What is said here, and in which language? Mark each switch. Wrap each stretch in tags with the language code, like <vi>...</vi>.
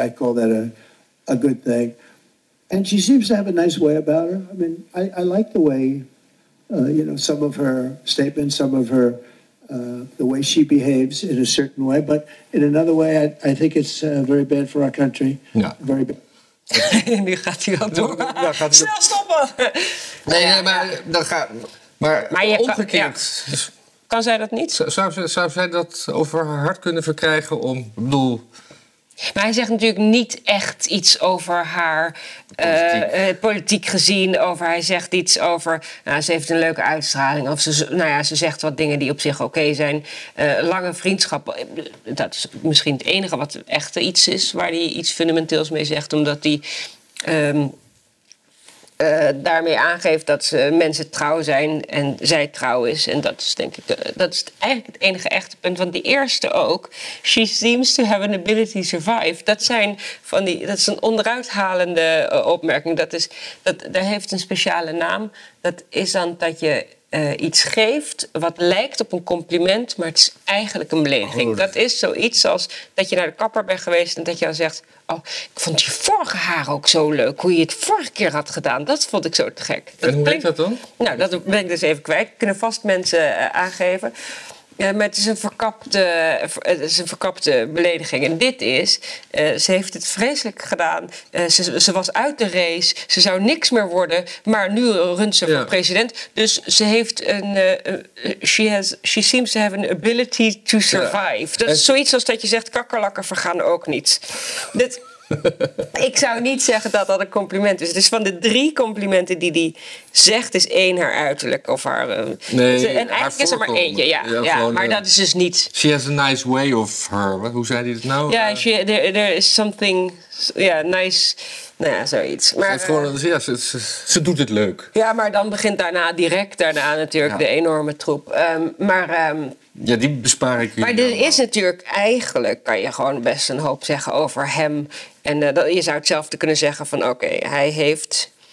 <en>I call that a good thing. And she seems to have a nice way about her. I mean, I like the way, you know, some of her statements, some of her, the way she behaves in a certain way. But in another way, I think it's very bad for our country.</en> <nl>Ja.</nl> <en>Very bad.</en> <nl>Nu gaat hij al door. Ja, gaat hij snel stoppen! Nee, nee, maar dat gaat. Maar je omgekeerd. Kan zij dat niet? Zou zij dat over haar hart kunnen verkrijgen om, ik bedoel... Maar hij zegt natuurlijk niet echt iets over haar politiek gezien. Over, hij zegt iets over, nou, ze heeft een leuke uitstraling. Of ze, nou ja, ze zegt wat dingen die op zich oké zijn. Lange vriendschappen, dat is misschien het enige wat echt iets is. Waar hij iets fundamenteels mee zegt. Omdat hij daarmee aangeeft dat ze mensen trouw zijn en zij trouw is. En dat is denk ik, dat is eigenlijk het enige echte punt. Want die eerste ook,</nl> <en>she seems to have an ability to survive.</en> <nl>Dat zijn van die, dat is een onderuithalende opmerking. Dat is, daar heeft een speciale naam. Dat is dan dat je iets geeft wat lijkt op een compliment, maar het is eigenlijk een belediging. Oh, dat is zoiets als dat je naar de kapper bent geweest en dat je dan zegt, oh, ik vond je vorige haar ook zo leuk, hoe je het vorige keer had gedaan. Dat vond ik zo te gek. Dat, en hoe klinkt dat dan? Nou, dat ben ik dus even kwijt. Kunnen vast mensen aangeven. Maar het is een verkapte belediging. En dit is, ze heeft het vreselijk gedaan. Ze was uit de race. Ze zou niks meer worden. Maar nu runt ze voor president. Dus ze heeft een...</nl> <en>she seems to have an ability to survive. Ja.</en> <nl>Dat is zoiets als dat je zegt, kakkerlakken vergaan ook niet. Dit, ik zou niet zeggen dat dat een compliment is. Het is van de drie complimenten die hij zegt, is één haar uiterlijk of haar... Nee, en eigenlijk haar is er maar eentje, ja. Maar dat is dus niet...</nl> <en>She has a nice way of her.</en> <nl>Hoe zei hij het nou?</nl> <en>Ja, there is something nice...</en> <nl>Nou ja, zoiets. Maar, ze doet het leuk. Ja, maar dan begint daarna direct daarna natuurlijk de enorme troep. Ja, die bespaar ik u. Maar er is natuurlijk eigenlijk, kan je gewoon best een hoop zeggen over hem. En je zou hetzelfde kunnen zeggen van oké, hij heeft...</nl>